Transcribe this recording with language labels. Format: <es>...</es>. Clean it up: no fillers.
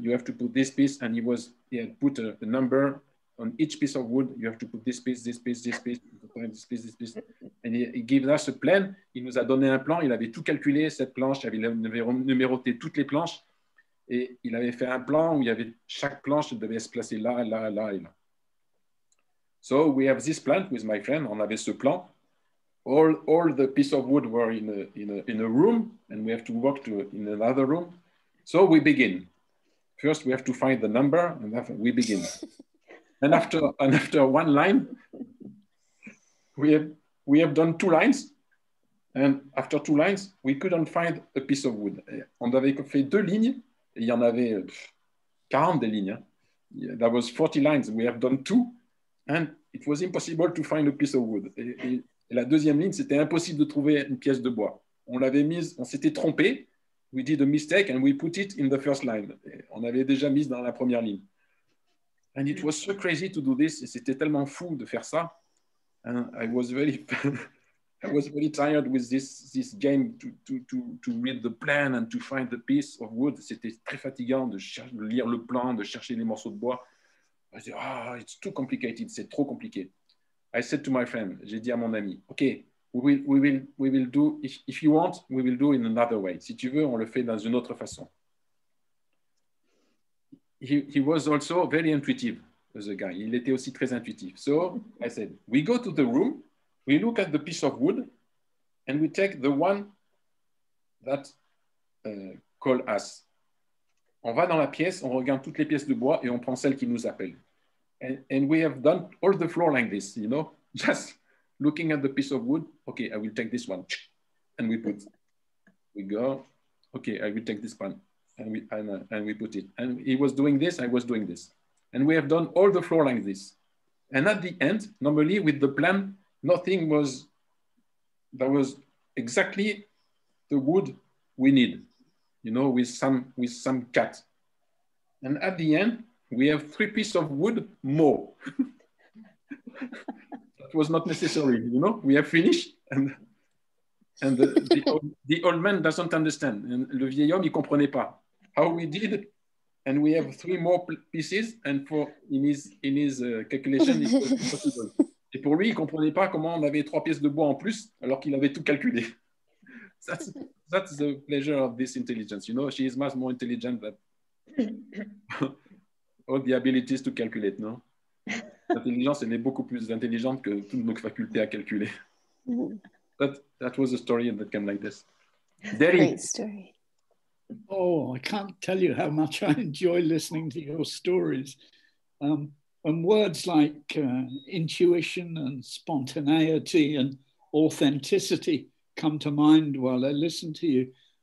<en>You have to put this piece, and he had put a number on each piece of wood. You have to put this piece, this piece, this piece, this piece, this piece, and he gave us a plan.</en> <fr>Il nous a donné un plan. Il avait tout calculé cette planche. Il avait numéroté toutes les planches. Et il avait fait un plan où il y avait chaque planche devait se placer là, là, là et là.</fr> <en>So we have this plan with my friend.</en> <fr>On avait ce plan.</fr> <en>All the pieces of wood were in a room, and we have to work in another room. So we begin. First, we have to find the number, and then we begin. And after one line, we have done two lines. And after two lines, we couldn't find a piece of wood.</en> <fr>On avait fait deux lignes. Il y en avait 40 des lignes.</fr> <en>Yeah, that was 40 lines. We have done two. And it was impossible to find a piece of wood.</en> <fr>Et la deuxième ligne, c'était impossible de trouver une pièce de bois. On s'était trompé.</fr> <en>We did a mistake and we put it in the first line.</en> <fr>Et on avait déjà mis dans la première ligne.</fr> <en>And it was so crazy to do this.</en> <fr>Et c'était tellement fou de faire ça.</fr> <en>And I was very... I was really tired with this game to read the plan and to find the piece of wood.</en> <fr>C'était très fatigant de lire le plan, de chercher les morceaux de bois.</fr> <en>I said, it's too complicated.</en> <fr>C'est trop compliqué.</fr> <en>I said to my friend,</en> <fr>j'ai dit à mon ami,</fr> <en>okay, we will do, if you want, we will do in another way.</en> <fr>Si tu veux, on le fait dans une autre façon.</fr> <en>He was also very intuitive, the guy.</en> <fr>Il était aussi très intuitif.</fr> <en>So I said, we go to the room, we look at the piece of wood, and we take the one that call us.</en> <fr>On va dans la pièce, on regarde toutes les pièces de bois et on prend celle qui nous appelle.</fr> <en>And we have done all the floor like this, you know, just looking at the piece of wood. Okay, I will take this one. And we put, we go. Okay, I will take this one. And we put it. And he was doing this, I was doing this. And we have done all the floor like this. And at the end, normally with the plan, nothing was, that was exactly the wood we need, you know, with some cut. And at the end, we have three pieces of wood more. That was not necessary, you know, we have finished. And the old man doesn't understand. And</en> <fr>le vieil homme, il comprenait pas</fr> <en>how we did. And we have three more pieces. And for in his calculation, it was impossible.</en> <fr>Et pour lui, il comprenait pas comment on avait trois pièces de bois en plus alors qu'il avait tout calculé.</fr> <en>That's the pleasure of this intelligence. You know, she is much more intelligent than all the abilities to calculate, no?</en> <fr>L'intelligence, elle est beaucoup plus intelligente que toutes nos facultés à calculer.</fr> <en>That was a story that came like this. Derry. Great story. Oh, I can't tell you how much I enjoy listening to your stories. And words like intuition and spontaneity and authenticity come to mind while I listen to you.</en>